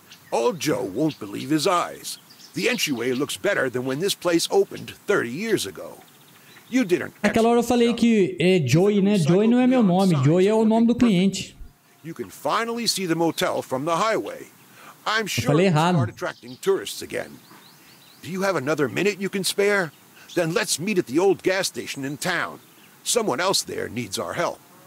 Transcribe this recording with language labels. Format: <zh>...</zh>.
<en>All Joe won't believe his eyes. The entryway looks better than when this place opened 30 years ago. You didn't.</en> <pt>Aquela hora eu falei que é Joey, né? Joey não é meu nome. Joey é o nome do cliente.</pt> <en>You can finally see the motel from the highway. I'm sure it'll start attracting tourists again. Do you have another minute you can spare? Then let's meet at the old gas station in town. Someone else there needs our help.</en>